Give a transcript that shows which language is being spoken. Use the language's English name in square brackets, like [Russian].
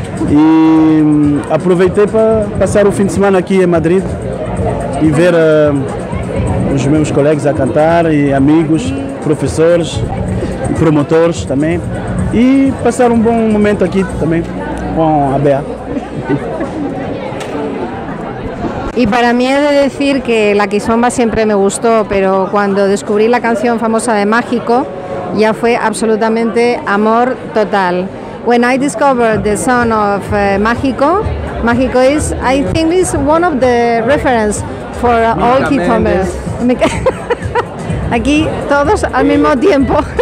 [Portuguese] E aproveitei para passar o fim de semana aqui em Madrid e ver os meus colegas a cantar e amigos, professores e promotores também. E passar um bom momento aqui também com a Bea. [Spanish] Y para mí he de decir que la Kizomba siempre me gustó, pero cuando descubrí la canción famosa de Mágico, ya fue absolutamente amor total. [English] When I discovered the song of Mágico, Mágico is, I think, is one of the reference for all Kizombers. [Spanish] Aquí todos al mismo tiempo.